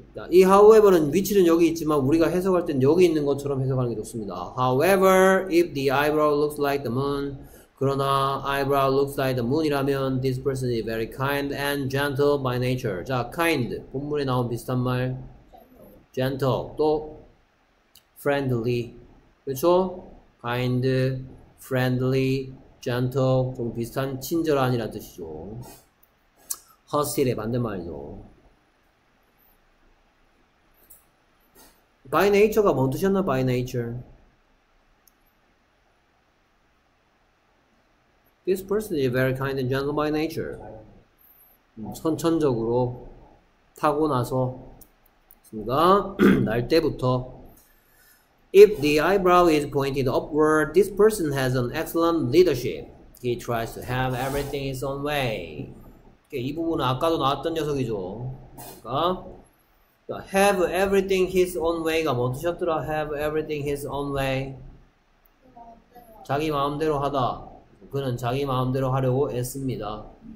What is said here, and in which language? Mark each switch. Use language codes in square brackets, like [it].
[ko] 이 however는 위치는 여기 있지만 우리가 해석할 땐 여기 있는 것처럼 해석하는 게 좋습니다. [en] However, if the eyebrow looks like the moon, [ko] 그러나 [en] eyebrow looks like the moon이라면 this person is very kind and gentle by nature. [ko] 자, kind 본문에 나온 비슷한 말, gentle 또 friendly, 그렇죠? kind, friendly, gentle 좀 비슷한 친절한이라는 뜻이죠. hostile의 반대말이죠. By nature가 뭔 뜻이었나? By nature. [en] This person is very kind and gentle by nature. [ko] 선천적으로 타고 나서 순간 날 때부터. [en] If the eyebrow is pointed upward, this person has an excellent leadership. He tries to have everything his own way. [ko] 이 부분은 아까도 나왔던 녀석이죠. 그러니까 have everything his own way가 뭐 뜻이었더라? [en] Have everything his own way. [ko] 자기 마음대로 하다. 그는 자기 마음대로 하려고 애씁니다.